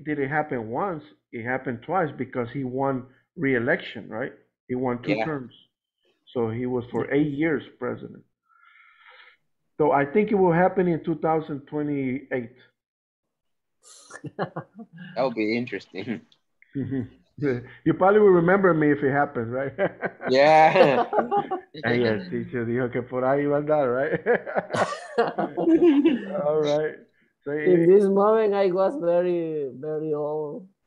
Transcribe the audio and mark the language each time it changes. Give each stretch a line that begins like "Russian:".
English: did it happen once, it happened twice because he won re-election, right? He won two terms. So he was for 8 years president. So I think it will happen in 2028. That would be interesting. You probably will remember me if it happens, right? Yeah.
Spanish: Y el teacher dijo que por ahí iba a andar, right?
English: All right. So, in this moment, I was very, very old.